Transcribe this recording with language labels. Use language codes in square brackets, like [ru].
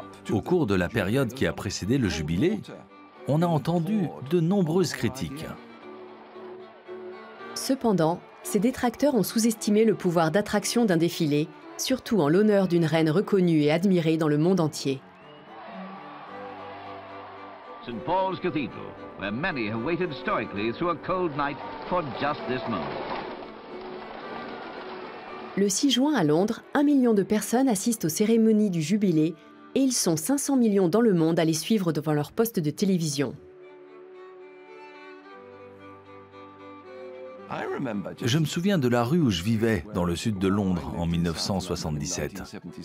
[fr] Au cours de la période qui a précédé le jubilé, on a entendu de nombreuses critiques. Cependant, ses détracteurs ont sous-estimé le pouvoir d'attraction d'un défilé, surtout en l'honneur d'une reine reconnue et admirée dans le monde entier. [en] St. Paul's Cathedral, where many have waited stoically through a cold night for just this moment. [fr] Le 6 juin à Londres, 1 million de personnes assistent aux cérémonies du jubilé et ils sont 500 millions dans le monde à les suivre devant leur poste de télévision. Je me souviens de la rue où je vivais, dans le sud de Londres, en 1977.